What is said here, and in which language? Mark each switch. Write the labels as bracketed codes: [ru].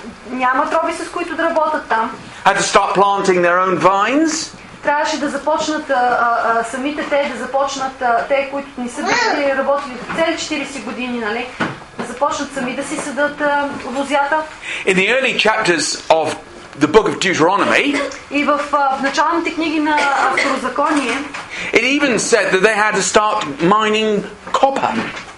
[bg] Няма троби, с които да работят там. [en] Had to start planting their own vines. [bg] Трябваше да започнат самите те, да започнат те, които не са били работили цели 40 години, нали? Да започнат сами да си съдат лозята. [en] In the early chapters of the book of Deuteronomy, [bg] и в началните книги на Второзаконие, [en] it even said that they had to start mining copper.